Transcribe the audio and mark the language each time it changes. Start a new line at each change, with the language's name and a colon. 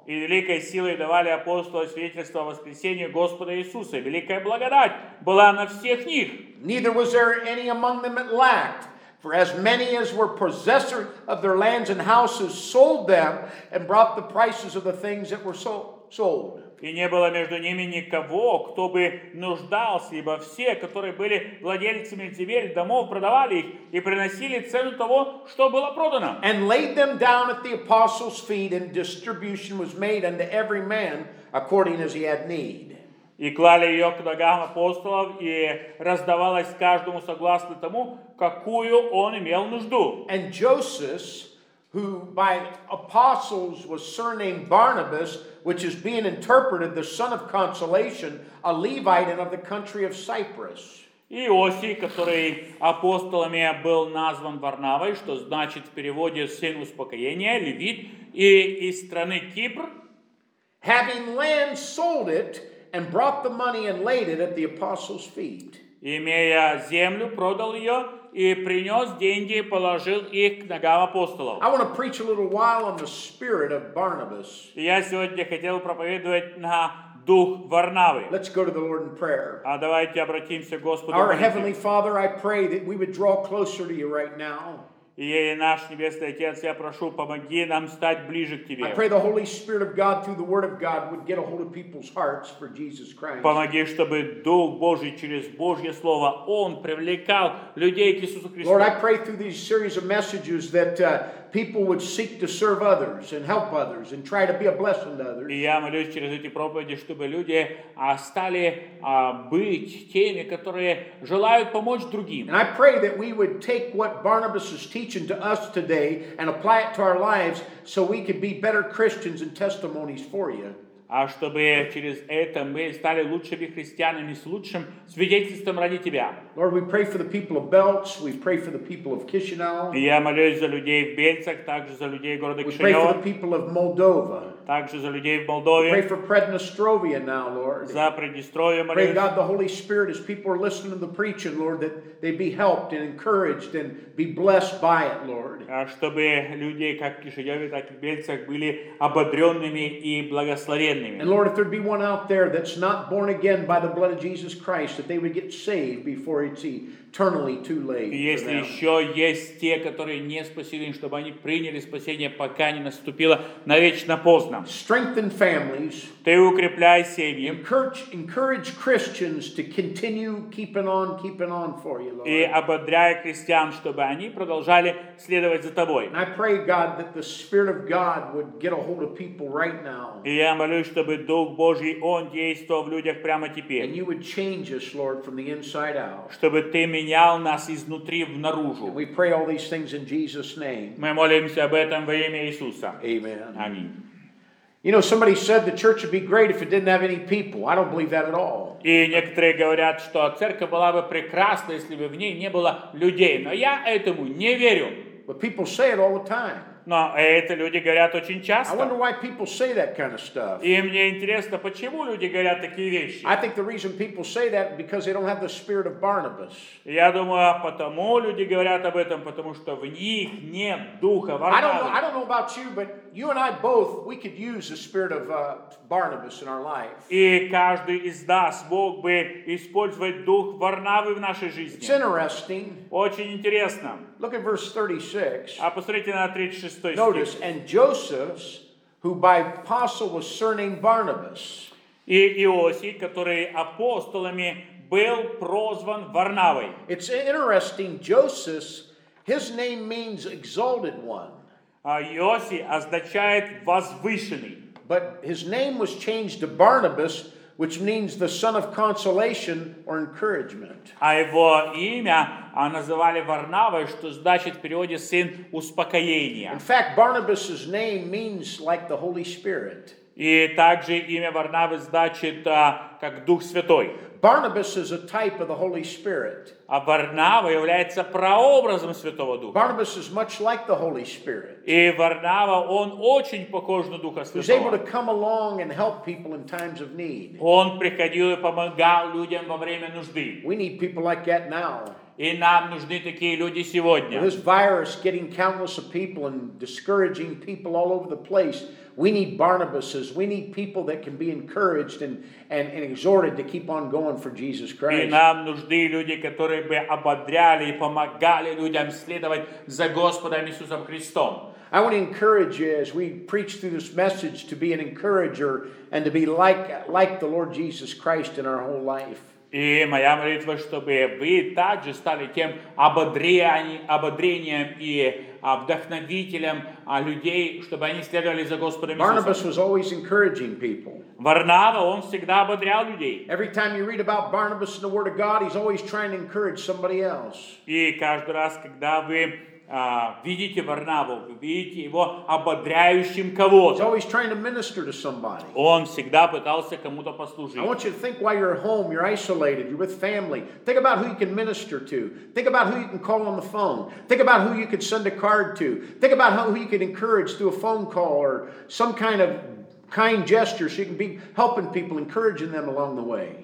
Russian: И великой силой давали апостолы свидетельство о воскресении Господа Иисуса. Великая благодать была на всех них.
English: Neither was there any among them that lacked. For as many as were possessors of their lands and houses sold them and brought the prices of the things that were sold.
Russian: И не было между ними никого, кто бы нуждался, ибо все, которые были владельцами земель, домов, продавали их и приносили цену того, что было продано.
English: And laid them down at the apostles' feet, and distribution was made unto every man according as he had need.
Russian: И клали ее к ногам апостолов, и раздавалось каждому согласно тому, какую он имел нужду.
English: And Joseph, who by apostles was surnamed Barnabas, which is being interpreted the son of consolation, a Levite and of the country of Cyprus.
Russian: Иосиф, который апостолами был назван Варнавой, что значит в переводе сын успокоения, левит, и из страны Кипр,
English: having land, sold it and brought the money and laid it at the apostles' feet.
Russian: Имея землю, продал ее и принес деньги и положил их к ногам апостолов.
English: I want to preach a little while on the spirit of Barnabas.
Russian: Я сегодня хотел проповедовать на дух Варнавы.
English: Let's go to the Lord in prayer.
Russian: А давайте обратимся к Господу.
English: Our heavenly Father, I pray that we would draw closer to you right now.
Russian: И наш Небесный Отец, я прошу, помоги нам стать ближе к Тебе.
English: I pray the Holy Spirit of God through the Word of God would get a hold of people's hearts for Jesus Christ.
Russian: Помоги, чтобы Дух Божий через Божье Слово, Он привлекал людей к Иисусу Христу.
English: Lord, I pray through these series of messages that people would seek to serve others and help others and try to be a blessing to others.
Russian: И я молюсь через эти проповеди, чтобы люди стали быть теми, которые желают помочь другим.
English: And I pray that we would take what Barnabas is teaching to us today and apply it to our lives so we could be better Christians and testimonies for you.
Russian: А чтобы через это мы стали лучшими христианами с лучшим свидетельством ради Тебя.
English: Lord, we pray for the people of Belts, we pray for the people of Chisinau.
Russian: Я молюсь за людей в Бельцах, также за людей города Кишинева.
English: We pray for the people of Moldova.
Russian: Также за людей в Молдове.
English: We pray for Приднестровье now, Lord.
Russian: За Приднестровье молюсь.
English: Pray God the Holy Spirit as people are listening to the preaching, Lord, that they be helped and encouraged and be blessed by it, Lord.
Russian: А чтобы люди как в Кишиневе, так и в Бельцах были ободренными и благословенными.
English: And Lord, if there'd be one out there that's not born again by the blood of Jesus Christ, that they would get saved before it's eternally too late.
Russian: И если еще есть те, которые не спасены, чтобы они приняли спасение, пока не наступило навечно поздно.
English: Strengthen families.
Russian: Ты укрепляй семьи.
English: Encourage Christians to continue keeping on for you, Lord.
Russian: И ободряй христиан, чтобы они продолжали следовать за тобой.
English: And I pray God that the Spirit of God would get a hold of people right now.
Russian: И я молюсь, чтобы Дух Божий он действовал в людях прямо теперь.
English: And you would change us, Lord, from the inside out.
Russian: Чтобы ты менял нас изнутри внаружи.
English: We pray all these things in Jesus' name.
Russian: Мы молимся об этом во имя Иисуса.
English: Amen.
Russian: Аминь.
English: You know, somebody said the church would be great if it didn't have any people. I don't believe that at all.
Russian: И некоторые говорят, что церковь была бы прекрасна, если бы в ней не было людей. Но я этому не верю.
English: But people say it all the time.
Russian: Но это люди говорят очень часто.
English: I wonder why people say that kind of stuff.
Russian: И мне интересно, почему люди говорят такие вещи.
English: I think the reason people say that because they don't have the spirit of Barnabas.
Russian: Я думаю, потому люди говорят об этом, потому что в них нет духа Варнавы.
English: I don't know about you, but you and I both, we could use the spirit of Barnabas in our life.
Russian: И каждый из нас мог бы использовать дух Варнавы в нашей жизни.
English: It's interesting.
Russian: Очень интересно.
English: Look at verse 36.
Russian: А посмотрите на 36 стих.
English: Notice, and Joseph, who by apostle was surnamed Barnabas.
Russian: И Иосиф, который апостолами был прозван Варнавой.
English: It's interesting, Joseph, his name means exalted one.
Russian: А Иосиф означает возвышенный.
English: But his name was changed to Barnabas, which means the son of consolation or encouragement.
Russian: А его имя называли Варнавой, что значит в переводе сын успокоения.
English: In fact, Barnabas's name means like the Holy Spirit.
Russian: И также имя Варнавы значит как Дух Святой.
English: Barnabas is a type of the Holy Spirit.
Russian: А Варнава является прообразом Святого Духа.
English: Barnabas is much like the Holy Spirit.
Russian: И Варнава, он очень похож на Духа Святого.
English: He's able to come along and help people in times of need.
Russian: Он приходил и помогал людям во время нужды.
English: We need people like that now.
Russian: И нам нужны такие люди сегодня.
English: This virus getting countless of people and discouraging people all over the place. We need Barnabases. We need people that can be encouraged and exhorted to keep on going for Jesus Christ.
Russian: И нам нужны люди, которые бы ободряли и помогали людям следовать за Господом Иисусом Христом.
English: I want to encourage you as we preach through this message to be an encourager and to be like the Lord Jesus Christ in our whole life.
Russian: И моя молитва, чтобы вы также стали тем ободрением и вдохновителем людей, чтобы они следовали за Господом Иисусом.
English: Barnabas was always encouraging people.
Russian: Варнава, он всегда ободрял людей.
English: Every time you read about Barnabas in the Word of God, he's always trying to encourage somebody else.
Russian: И каждый раз, когда вы видите Варнаву, вы видите его ободряющим кого-то.
English: He's always trying to minister to somebody.
Russian: Он всегда пытался кому-то послужить.
English: I want you to think while you're home, you're isolated, you're with family. Think about who you can minister to. Think about who you can call on the phone. Think about who you could send a card to. Think about who you could encourage through a phone call or some kind of kind gesture, so you can be helping people, encouraging them along the way.